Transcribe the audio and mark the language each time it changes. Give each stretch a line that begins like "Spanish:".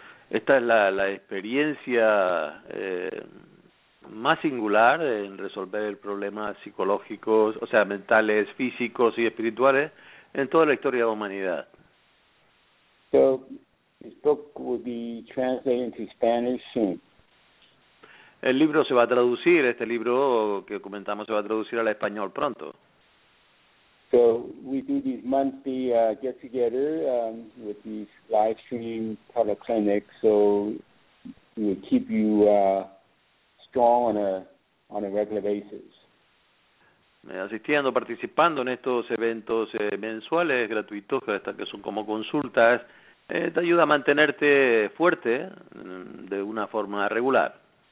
Spanish: Esta es la experiencia más singular en resolver problemas psicológicos, o sea, mentales, físicos y espirituales, en toda la historia de la humanidad.
English: So, this book will be translated into Spanish soon.
Spanish: El libro se va a traducir, este libro que comentamos se va a traducir al español pronto.
English: So we do these monthly get-together with these live stream teleclinics, so we keep you strong on a regular basis.
Spanish: Asistiendo, participando en estos eventos mensuales gratuitos que son como consultas, te ayuda a mantenerte fuerte de una forma regular.